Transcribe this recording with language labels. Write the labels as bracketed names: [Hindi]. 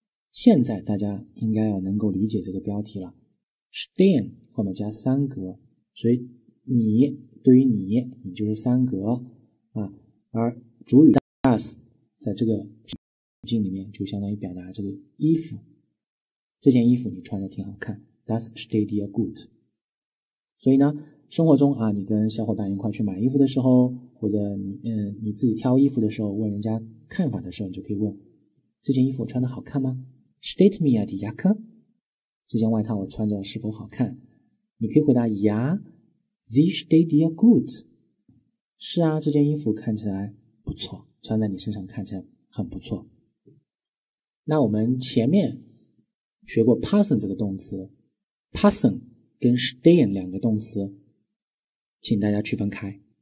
[Chinese] 现在大家应该要能够理解这个标题了， stehen 后面加三格，所以你对于你就是三格啊，而主语 das 在这个情境里面就相当于表达这个衣服，这件衣服你穿的挺好看， [German] Das steht dir gut。 [Chinese] 所以呢生活中啊，你跟小伙伴一块去买衣服的时候，或者 你自己挑衣服的时候，问人家看法的时候，你就可以问，这件衣服我穿的好看吗？ [German] Steht mir die Jacke？ [Chinese] 这件外套我穿着是否好看？你可以回答 [German] Ja, sie steht dir gut。 [Chinese] 是啊，这件衣服看起来不错，穿在你身上看起来很不错。那我们前面学过 passen 这个动词， passen 跟 stehen 两个动词请大家区分开。